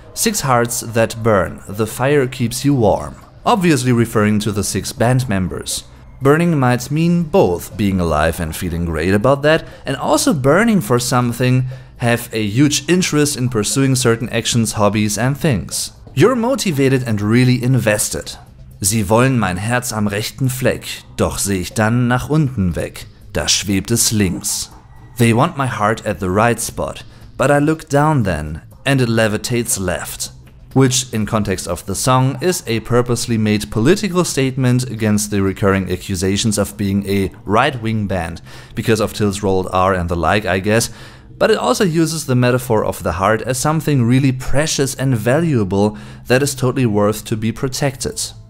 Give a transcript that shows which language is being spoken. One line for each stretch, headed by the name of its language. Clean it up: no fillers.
English: Six hearts that burn, the fire keeps you warm. Obviously referring to the six band members. Burning might mean both being alive and feeling great about that, and also burning for something, have a huge interest in pursuing certain actions, hobbies and things. You're motivated and really invested.
German: Sie wollen mein Herz am rechten Fleck, doch sehe ich dann nach unten weg, da schwebt es links.
English: They want my heart at the right spot, but I look down then, and it levitates left. Which, in context of the song, is a purposely made political statement against the recurring accusations of being a right-wing band, because of Till's rolled R and the like, I guess, but it also uses the metaphor of the heart as something really precious and valuable that is totally worth to be protected.